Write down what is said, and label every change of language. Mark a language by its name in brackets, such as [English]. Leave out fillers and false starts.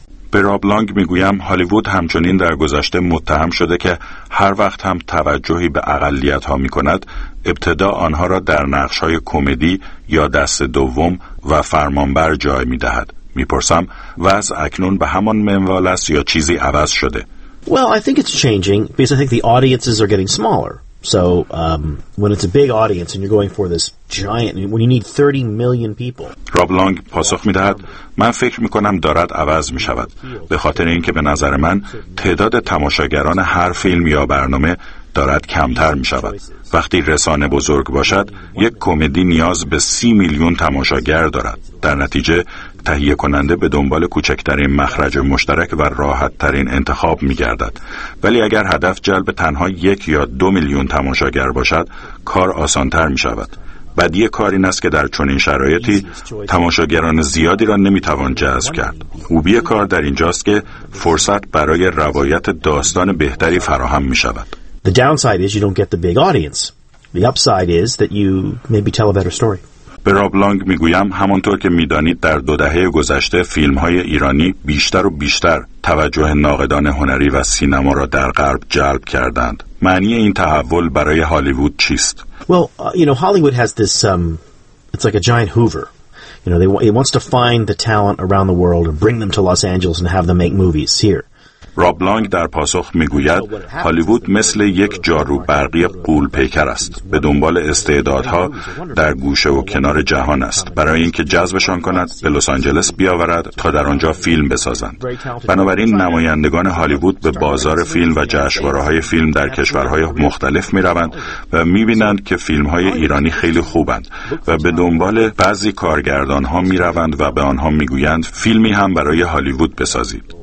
[Persian] به راب لانگ میگویم هالیوود همچنین در گذشته متهم شده که هر وقت هم توجهی به اقلیت‌ها می‌کند ابتدا آنها را در نقش‌های کمدی یا دست دوم و فرمانبر جای می‌دهد. می‌پرسم وضع اکنون به همان منوال است یا چیزی عوض شده؟ [English] Well, I think it's changing because I think the audiences are getting smaller. So when it's a big audience and you're going for this giant, when you need 30 million people. [Persian] راب لانگ پاسخ می‌دهد من فکر می‌کنم دارد عوض می‌شود، به خاطر اینکه به نظر من تعداد تماشاگران هر فیلم یا برنامه دارد کمتر می‌شود. وقتی رسانه بزرگ باشد یک کمدی نیاز به 30 میلیون تماشاگر دارد. در نتیجه تهیه کننده به دنبال کوچکترین مخرج مشترک و راحت ترین انتخاب می گردد. ولی اگر هدف جلب تنها 1 یا 2 میلیون تماشاگر باشد کار آسان تر می شود. بدی کار این است که در چنین شرایطی تماشاگران زیادی را نمی توان جذب کرد. خوبی کار در اینجاست که فرصت برای روایت داستان بهتری فراهم می شود. [English] The downside is you don't get the big audience. The upside is that you maybe tell a better story. [Persian] به راب لانگ میگویم همانطور که میدانید در دو دهه گذشته فیلم های ایرانی بیشتر و بیشتر توجه ناقدان هنری و سینما را در غرب جلب کردند. معنی این تحول برای هالیوود چیست؟ [English] Well, you know, Hollywood has this it's like a giant Hoover. You know, it wants to find the talent around the world and bring them to Los Angeles and have them make movies here. [Persian] راب لانگ در پاسخ میگوید هالیوود مثل یک جاروبرقی قول پیکر است، به دنبال استعدادها در گوشه و کنار جهان است برای اینکه جذبشان کند به لس آنجلس بیاورد تا در آنجا فیلم بسازند. بنابراین نمایندگان هالیوود به بازار فیلم و جشنواره‌های فیلم در کشورهای مختلف میروند و میبینند که فیلم‌های ایرانی خیلی خوبند و به دنبال بعضی کارگردان‌ها میروند و به آنها میگویند فیلمی هم برای هالیوود بسازید.